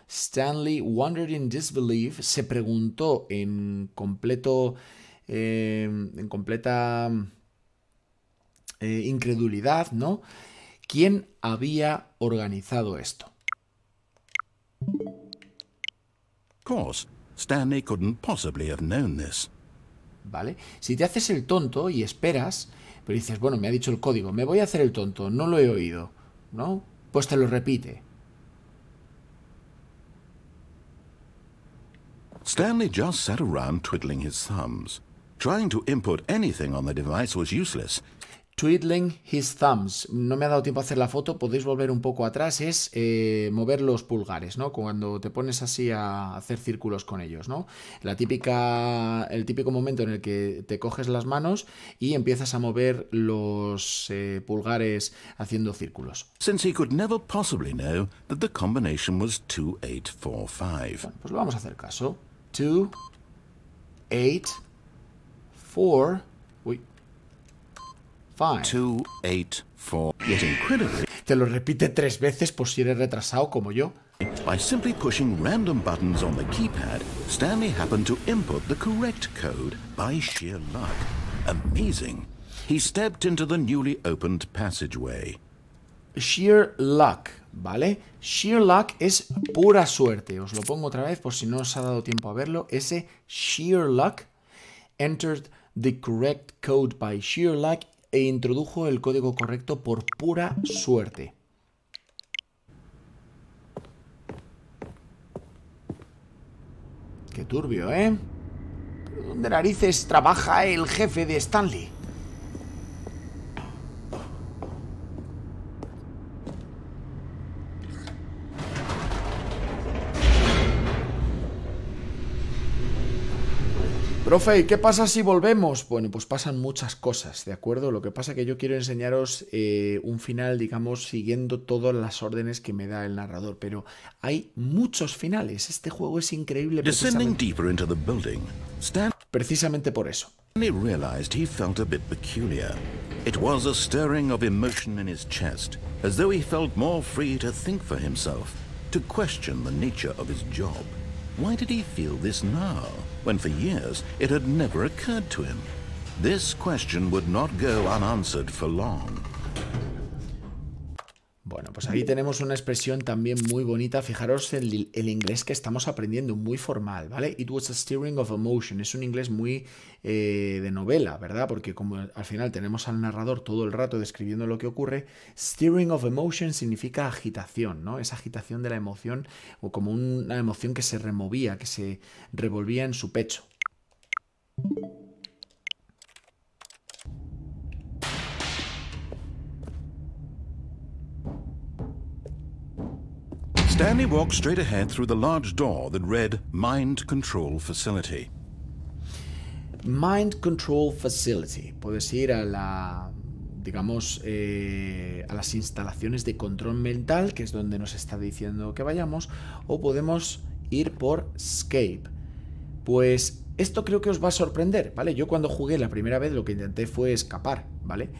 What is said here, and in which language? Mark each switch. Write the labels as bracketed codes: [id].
[en] Stanley wondered in disbelief, [es] se preguntó en completo, en completa incredulidad, ¿no? ¿Quién había organizado esto? [en] Course, Stanley couldn't possibly have known this. [es] ¿Vale? Si te haces el tonto y esperas, pero dices, bueno, me ha dicho el código, me voy a hacer el tonto, no lo he oído, ¿no? Pues te lo repite. [en] Stanley just sat around twiddling his thumbs. Trying to input anything on the device was useless. Twiddling his thumbs. [es] No me ha dado tiempo a hacer la foto. Podéis volver un poco atrás. Es mover los pulgares, ¿no? Cuando te pones así a hacer círculos con ellos, ¿no? El típico momento en el que te coges las manos y empiezas a mover los pulgares haciendo círculos. [en] Since he could never possibly know that the combination was 2845. [es] Bueno, pues lo vamos a hacer caso. 2, 8, 4. Uy. [en] Two, eight, four. Yet incredibly, [es] Te lo repite tres veces por si eres retrasado como yo. [en] By simply pushing random buttons on the keypad, Stanley happened to input the correct code by sheer luck. Amazing. He stepped into the newly opened passageway. [es] Sheer luck, ¿vale? Sheer luck es pura suerte. Os lo pongo otra vez por si no os ha dado tiempo a verlo. Ese sheer luck [en] entered the correct code by sheer luck. [es] E introdujo el código correcto por pura suerte. Qué turbio, ¿eh? ¿Dónde narices trabaja el jefe de Stanley? Profe, ¿y qué pasa si volvemos? Bueno, pues pasan muchas cosas, ¿de acuerdo? Lo que pasa es que yo quiero enseñaros un final, digamos, siguiendo todas las órdenes que me da el narrador, pero hay muchos finales. Este juego es increíble [en] Descending deeper into the building, Stan [es] precisamente por eso. [en] realized he felt a bit peculiar. It was a stirring of emotion in his chest, as though he felt more free to think for himself, to question the nature of his job. Why did he feel this now, when for years it had never occurred to him? This question would not go unanswered for long. [es] Bueno, pues ahí tenemos una expresión también muy bonita. Fijaros en el inglés que estamos aprendiendo, muy formal, ¿vale? [en] It was a stirring of emotion. [es] Es un inglés muy de novela, ¿verdad? Porque como al final tenemos al narrador todo el rato describiendo lo que ocurre, stirring of emotion significa agitación, ¿no? Es agitación de la emoción o como una emoción que se removía, que se revolvía en su pecho. [en] Stanley walked straight ahead through the large door that read Mind Control Facility. Mind Control Facility. [es] Puedes ir a la, digamos, a las instalaciones de control mental, que es donde nos está diciendo que vayamos, o podemos ir por Escape. Pues esto creo que os va a sorprender, ¿vale? Yo cuando jugué la primera vez lo que intenté fue escapar, ¿vale?